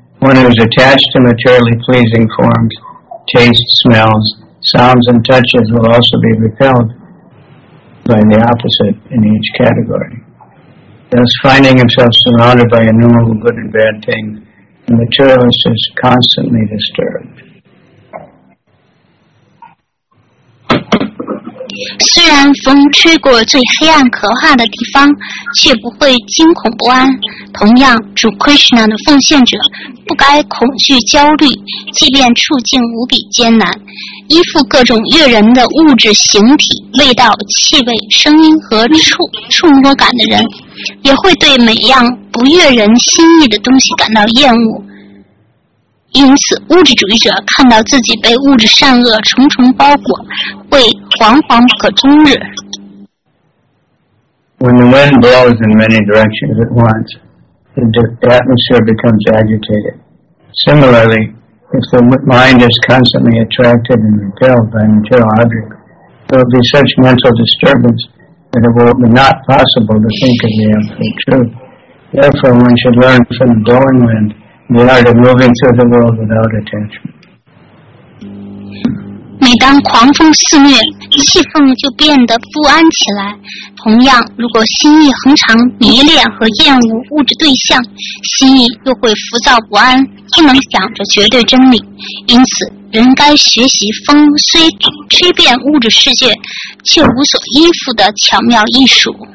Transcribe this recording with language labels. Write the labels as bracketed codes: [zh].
[en] One who is attached to materially pleasing forms, tastes, smells, sounds, and touches will also be repelled by the opposite in each category. Thus, finding himself surrounded by innumerable good and bad things, the materialist is constantly disturbed. [zh] 虽然风吹过最黑暗可怕的地方，却不会惊恐不安。同样，主 Krishna 的奉献者不该恐惧焦虑，即便处境无比艰难。依附各种悦人的物质形体、味道、气味、声音和触摸感的人，也会对每样不悦人心意的东西感到厌恶。因此，物质主义者看到自己被物质善恶重重包裹，会惶惶不可终日。 [en] When the wind blows in many directions at once, the atmosphere becomes agitated. Similarly, if the mind is constantly attracted and repelled by material objects, there will be such mental disturbance. And it will be not possible to think of the absolute truth. Therefore, one should learn from the blowing wind the art of moving through the world without attachment. [zh] 每当狂风肆虐，气氛就变得不安起来。同样，如果心意恒常迷恋和厌恶物质对象，心意又会浮躁不安，不能想着绝对真理。因此，人该学习风虽吹遍物质世界，却无所依附的巧妙艺术。